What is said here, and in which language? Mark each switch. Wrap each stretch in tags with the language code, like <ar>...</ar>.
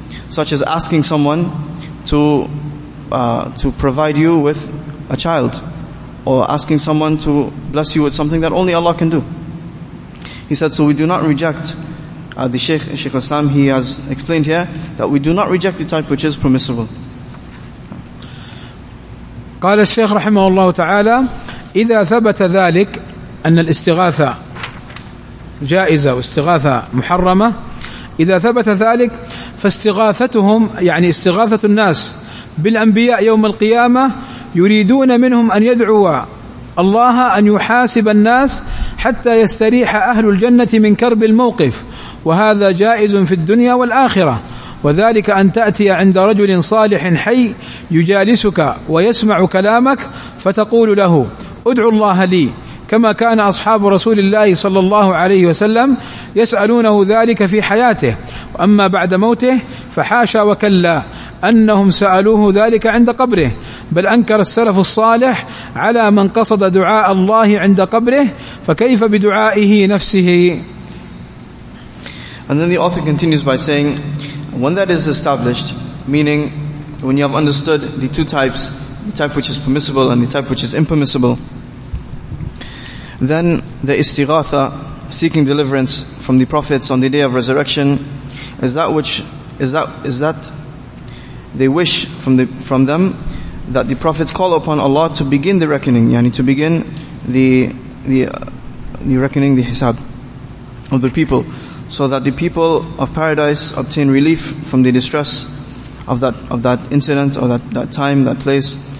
<en>Such as asking someone to provide you with a child, or asking someone to bless you with something that only Allah can do. He said, so we do not reject the Shaykh al-Islam, he has explained here that we do not reject the type which is permissible.</en> <ar>قال الشيخ رحمه الله تعالى إذا ثبت ذلك أن الاستغاثة جائزة واستغاثة محرمة إذا ثبت ذلك فاستغاثتهم يعني استغاثة الناس بالأنبياء يوم القيامة يريدون منهم أن يدعوا الله أن يحاسب الناس حتى يستريح أهل الجنة من كرب الموقف وهذا جائز في الدنيا والآخرة وذلك أن تأتي عند رجل صالح حي يجالسك ويسمع كلامك فتقول له ادعو الله لي كما كان أصحاب رسول الله صلى الله عليه وسلم يسألونه ذلك في حياته، وأما بعد موته فحاشا وكلا أنهم سألوه ذلك عند قبره، بل أنكر السلف الصالح على من قصد دعاء الله عند قبره، فكيف بدعائه نفسه؟</ar> <en>And then the author continues by saying, when that is established, meaning when you have understood the two types, the type which is permissible and the type which is impermissible, then the istighatha, seeking deliverance from the prophets on the day of resurrection, is that they wish from them that the prophets call upon Allah to begin the reckoning, yani to begin the reckoning, the hisab of the people, so that the people of paradise obtain relief from the distress of that incident or that time, that place.</en>